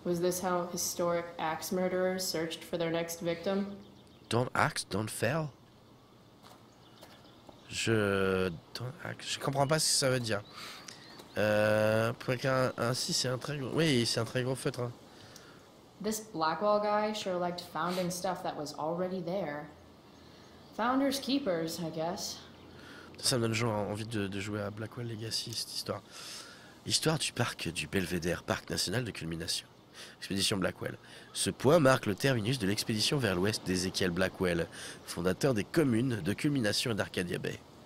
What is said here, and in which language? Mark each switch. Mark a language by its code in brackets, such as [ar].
[en] Was this how historic axe murderers searched for their next victim? Don't axe, don't fell. [fr] Je comprends pas ce que ça veut dire. Pour qu'un si c'est un très gros. Oui, c'est un très gros feutre. Hein. [en] This Blackwall guy sure liked founding stuff that was already there. Founders keepers, I guess. [fr] Ça me donne genre envie de jouer à Blackwall Legacy cette histoire. Histoire du parc du Belvédère, parc national de culmination. Expédition Blackwell. Ce point marque le terminus de l'expédition vers l'ouest d'Ezekiel Blackwell, fondateur des communes de culmination et d'Arcadia Bay.